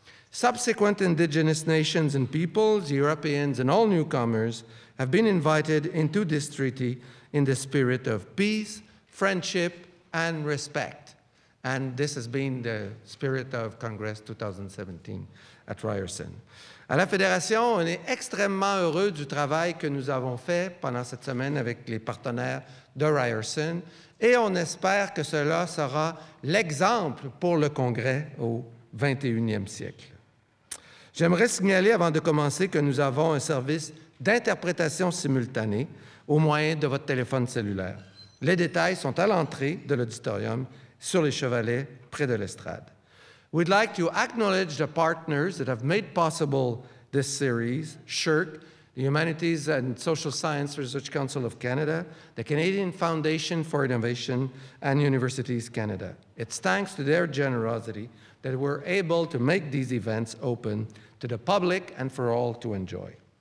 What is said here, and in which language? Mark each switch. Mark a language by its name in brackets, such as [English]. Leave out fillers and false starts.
[English] Subsequent indigenous nations and peoples, Europeans and all newcomers, have been invited into this treaty in the spirit of peace, friendship, and respect. And this has been the spirit of Congress 2017 at Ryerson. [French] À la Fédération, on est extrêmement heureux du travail que nous avons fait pendant cette semaine avec les partenaires de Ryerson et on espère que cela sera l'exemple pour le Congrès au 21e siècle. J'aimerais signaler avant de commencer que nous avons un service d'interprétation simultanée au moyen de votre téléphone cellulaire. Les détails sont à l'entrée de l'auditorium sur les chevalets près de l'estrade. [English] We'd like to acknowledge the partners that have made possible this series, SHRC, the Humanities and Social Science Research Council of Canada, the Canadian Foundation for Innovation, and Universities Canada. It's thanks to their generosity that we're able to make these events open to the public and for all to enjoy.